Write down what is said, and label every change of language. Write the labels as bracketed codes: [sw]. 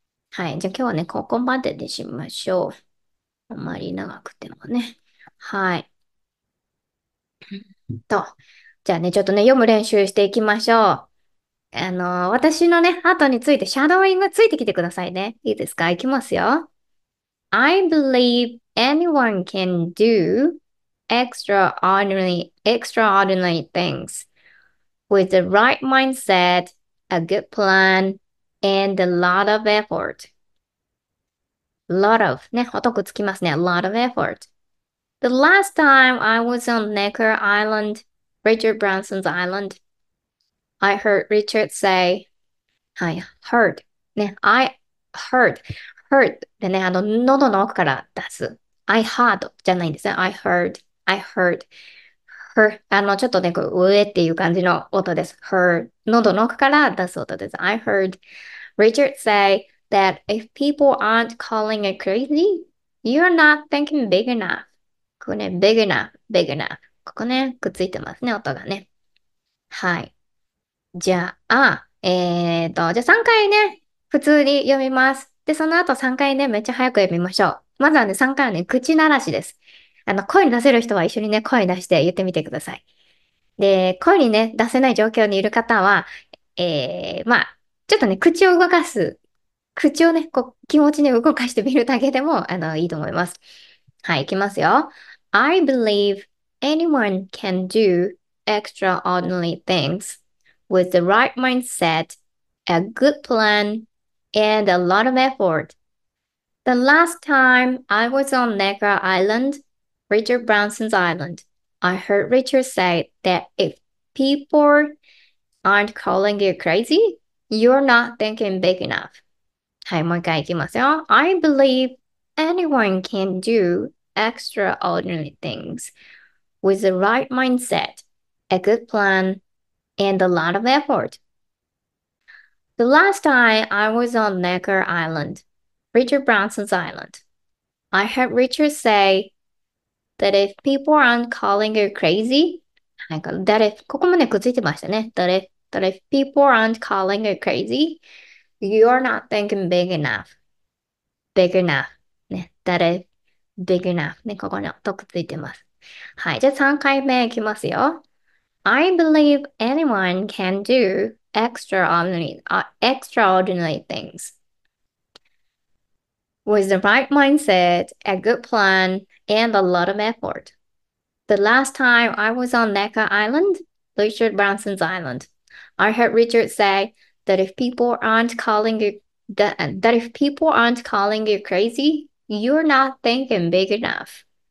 [ja] はい、じゃあ今日はね、ここまでにしましょう。あまり長くてもね。はい。と。じゃあね、ちょっとね、読む練習していきましょう。私のね、後について、シャドーイングついてきてくださいね。いいですか？いきますよ。 [en] I believe anyone can do extraordinary things with the right mindset, a good plan, and a lot of effort. Lot of. ね、 [ja] 音くっつきますね。 [en] Lot of effort. The last time I was on Necker Island, Richard Branson's Island, I heard Richard say, I heard, ね、I heard, heard でね、喉の奥から出す。 [ja] I heard じゃないんですね。 [en] I heard, heard, [ja] ちょっとね、上っていう感じの音です。 heard, 喉の奥から出す音です。 [en] I heard Richard say that if people aren't calling it crazy, you're not thinking big enough. [ja] ここね、 [en] big enough, big enough. [ja] ここね、くっついてますね、音がね。はい。じゃあ、じゃあ3回ね、普通に読みます。で、その後3回ね、めっちゃ早く読みましょう。まずはね、3回はね、口慣らしです。声出せる人は一緒にね、声出して言ってみてください。で、声にね、出せない状況にいる方は、まあ、ちょっとね、口を動かす。口をね、こう、気持ちね、動かしてみるだけでも、いいと思います。はい、いきますよ。 [en] I believe anyone can do extraordinary things with the right mindset, a good plan, and a lot of effort. The last time I was on Necker Island, Richard Branson's Island, I heard Richard say that if people aren't calling you crazy, you're not thinking big enough. [ja] はい、もう一回いきますよ。 [en] I believe anyone can do extraordinary things with the right mindset, a good plan, and a lot of effort. The last time I was on Necker Island, Richard Branson's Island, I heard Richard say that if people aren't calling you crazy, [ja] なんか、ここもね、くっついてましたね。 [en] That if people aren't calling you crazy, you're not thinking big enough. Big enough. ね。That if big enough. [ja] ね、ここのとくっついてます。はい。じゃあ3回目いきますよ。 [en] I believe anyone can do extraordinary things. With the right mindset, a good plan, and a lot of effort. The last time I was on Necker Island, Richard Branson's island, I heard Richard say that if people aren't calling you that if people aren't calling you crazy, you're not thinking big enough.